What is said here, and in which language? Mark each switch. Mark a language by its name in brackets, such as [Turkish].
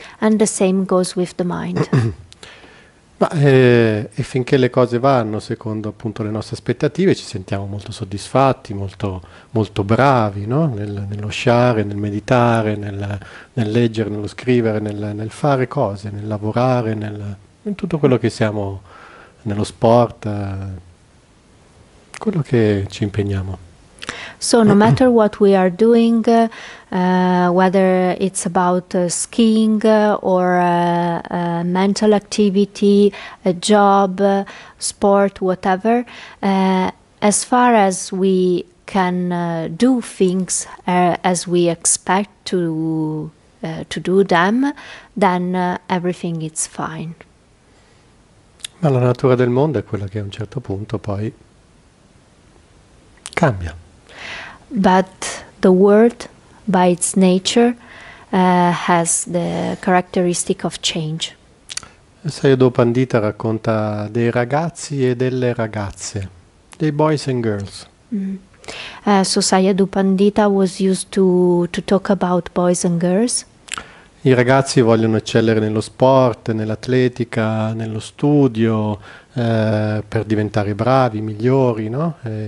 [English] And the same goes with the mind. [Italian] E finché le cose vanno secondo appunto le nostre aspettative, ci sentiamo molto soddisfatti, molto, molto bravi, no? Nello sciare, nel meditare, nel leggere, nello scrivere, nel fare cose, nel lavorare, in tutto quello che siamo, nello sport, quello che ci impegniamo. [English] So, no matter what we are doing, whether it's about skiing or mental activity, a job, sport, whatever, as far as we can do things as we expect to do them, then everything is fine. [Italian] Ma la natura del mondo è quella che a un certo punto poi cambia. [English] But the world, by its nature, has the characteristic of change. [Italian] Sayadaw Pandita racconta dei ragazzi e delle ragazze, dei [English] boys and girls. So Sayadaw Pandita was used to talk about boys and girls. [Italian] I ragazzi vogliono eccellere nello sport, nell'atletica, nello studio, per diventare bravi, migliori, no?